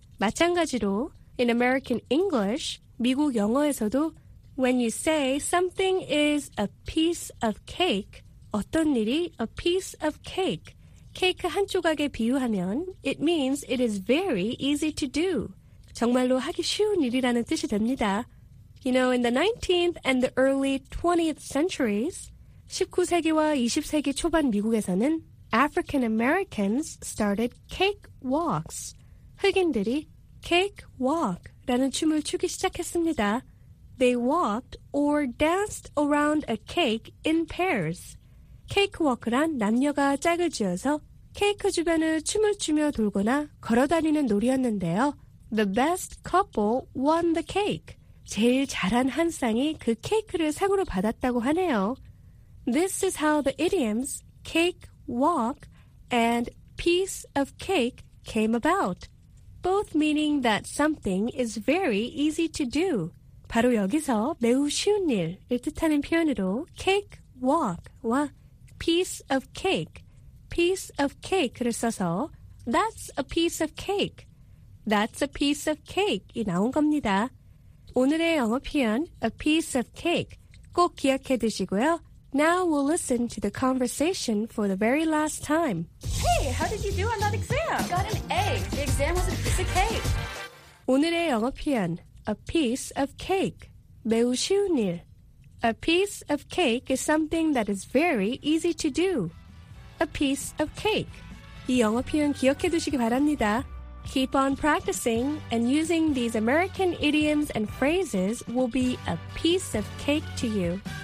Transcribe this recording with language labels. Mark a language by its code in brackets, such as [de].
[ko] 마찬가지로 [en] in American English, [ko] 미국 영어에서도 [en] when you say something is a piece of cake, [ko] 어떤 일이 [en] a piece of cake, [ko] 케이크 한 조각에 비유하면 [en] it means it is very easy to do. [ko] 정말로 하기 쉬운 일이라는 뜻이 됩니다. [en] You know, in the 19th and the early 20th centuries, [ko] 19세기와 20세기 초반 미국에서는 [en] African Americans started cake walks. [ko] 흑인들이 cake walk라는 춤을 추기 시작했습니다. [en] They walked or danced around a cake in pairs. [ko] Cake walk란 남녀가 짝을 지어서 케이크 주변을 춤을 추며 돌거나 걸어다니는 놀이였는데요. [en] The best couple won the cake. [ko] 제일 잘한 한 쌍이 그 케이크를 상으로 받았다고 하네요. [en] This is how the idioms cake walk and piece of cake came about. Both meaning that something is very easy to do. [ko] 바로 여기서 매우 쉬운 일을 뜻하는 표현으로 cake walk와 piece of cake를 써서 [en] that's a piece of cake. That's a piece of cake이 [ko] 나온 겁니다. 오늘의 영어 표현 a piece of cake 꼭 기억해 두시고요. [en] Now we'll listen to the conversation for the very last time. Hey, how did you do on that exam? Got an A. The exam was a piece of cake. [ko] 오늘의 영어 표현 a piece of cake 매우 쉬운 일. [en] A piece of cake is something that is very easy to do. A piece of cake. [ko] 이 영어 표현 기억해 두시기 바랍니다. [en] Keep on practicing and using these American idioms and phrases will be a piece of cake to you.